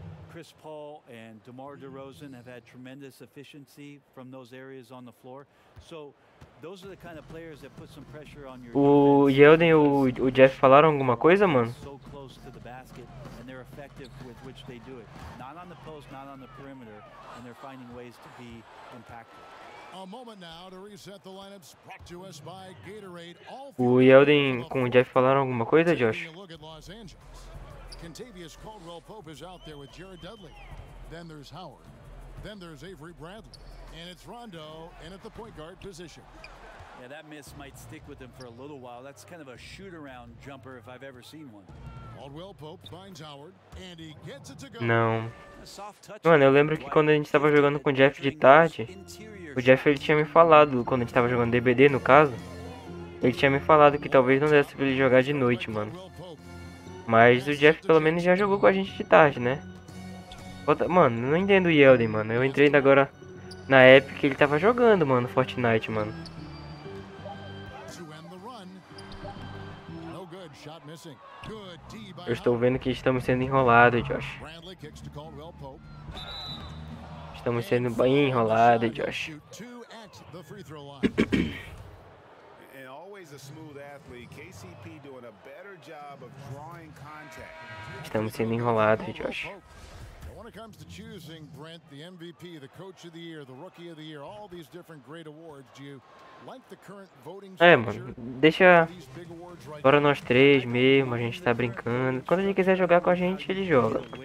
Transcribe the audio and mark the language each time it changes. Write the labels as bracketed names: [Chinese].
[English] Chris Paul and DeMar DeRozan have had tremendous efficiency from those areas on the floor. So, those are the kind of players that put some pressure on your. [Portuguese] O Yeldon e o Jeff falaram alguma coisa, mano? [English] So close to the basket and they're effective with which they do it. Not on the post, not on the perimeter, and they're finding ways to be impactful. A moment now to reset the lineups brought to us by Gatorade. [Portuguese] O Yeldon com o Jeff falaram alguma coisa, Josh? [English] Kentavious Caldwell-Pope is out there with Jared Dudley. Then there's Howard. Then there's Avery Bradley. And it's Rondo in at the point guard position. Yeah, that miss might stick with him for a little while. That's kind of a shoot-around jumper if I've ever seen one. Caldwell-Pope finds Howard, and he gets it to go. [Portuguese] Não. Mano, eu lembro que quando a gente tava jogando com o Jeff de tarde, o Jeff ele tinha me falado, quando a gente tava jogando DBD, no caso, ele tinha me falado que talvez não desse pra ele jogar de noite, mano. Mas o Jeff pelo menos já jogou com a gente de tarde, né? Mano, não entendo o Yeldon, mano. Eu entrei agora na época que ele tava jogando, mano, Fortnite, mano. Eu estou vendo que estamos sendo enrolados, Josh. Estamos sendo bem enrolados, Josh. [English] And always a smooth athlete, KCP doing a better job of drawing contact. [Portuguese] Estamos sendo enrolados, Josh. [English] When it comes to choosing Brent, the MVP, the coach of the year, the rookie of the year, all these different great awards, do you like the current voting structure? [Portuguese] É, mano, deixa para nós três mesmo, a gente tá brincando. Quando ele quiser jogar com a gente, ele joga.